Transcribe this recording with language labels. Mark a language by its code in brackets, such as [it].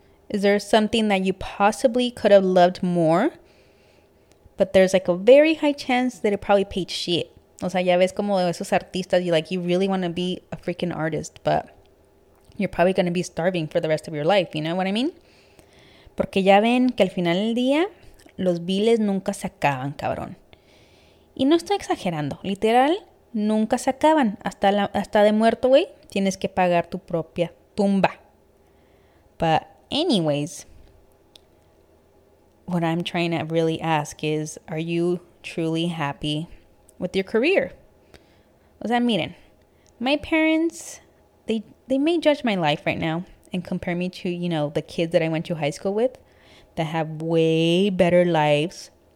[en] Is there something that you possibly could have loved more? But there's like a very high chance that it probably paid shit. [es] O sea, ya ves como esos artistas, [en] you like, you really want to be a freaking artist, but you're probably going to be starving for the rest of your life, you know what I mean? [es] Porque ya ven que al final del día, los biles nunca se acaban, cabrón. Y no estoy exagerando, literal, nunca se acaban. Hasta de muerto, güey, tienes que pagar tu propia tumba. [en] But anyways, what I'm trying to really ask is, are you truly happy with your career? [es] O sea, miren, [en] my parents, they may judge my life right now and compare me to, you know, the kids that I went to high school with that have way better lives.